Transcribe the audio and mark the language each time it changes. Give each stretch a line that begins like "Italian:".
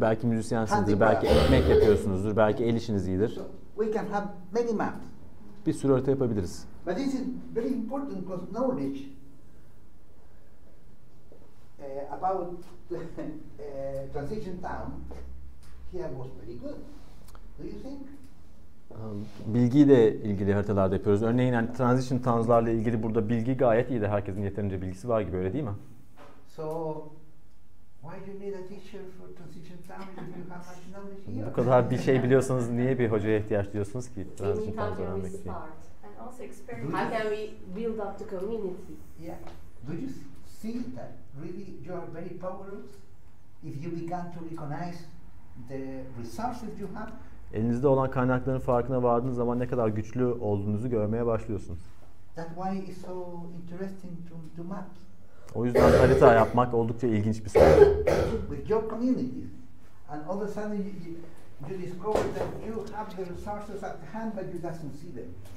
Turkish: Belki müzisyensinizdir, belki ekmek yapıyorsunuzdur, belki el işiniz iyidir.
English: We can have many maps.
Turkish: Bir sürü harita yapabiliriz.
English: But this is very important because knowledge about transition town here was very good. Do you think?
Turkish: Bilgiyle ilgili haritalar da yapıyoruz. Örneğin yani transition towns'larla ilgili burada bilgi gayet iyi de herkesin yeterince bilgisi var gibi, öyle değil mi?
English: So why do you need a teacher for transition towns if you have much knowledge here?
Turkish: Bu kadar bir şey biliyorsanız niye bir hocaya ihtiyaç duyuyorsunuz ki transition towns öğrenmek için?
English: How can we build up the community? Yeah. Do you see that really you are very powerful if you begin to recognize the resources you have?
Turkish: Elinizde olan kaynakların farkına vardığınız zaman ne kadar güçlü olduğunuzu görmeye başlıyorsunuz.
English: That's why it's so interesting to do map.
Turkish: O yüzden harita yapmak oldukça ilginç bir şey.
English: With your community, and all of a sudden you discover that you have the resources at hand, but you doesn't see them.